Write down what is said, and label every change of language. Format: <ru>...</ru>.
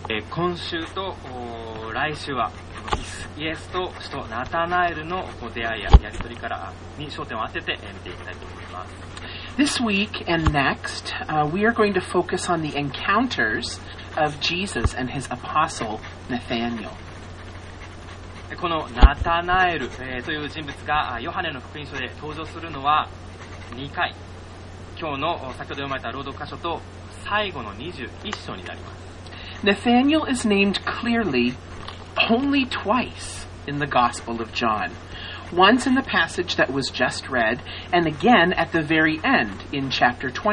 <ja>今週と来週はイエスと使徒ナタナエルの出会いややり取りからに焦点を当てて見ていきたいと思います。</ja> <en>This week and next、we are going to focus on the encounters of Jesus and his apostle Nathanael。</en> <ja>このナタナエル、という人物がヨハネの福音書で登場するのは2回、今日の先ほど読まれた朗読箇所と最後の21章になります。</ja> <en>Nathanael is named clearly only twice in the Gospel of John. Once in the passage that was just read, and again at the very end in chapter</en>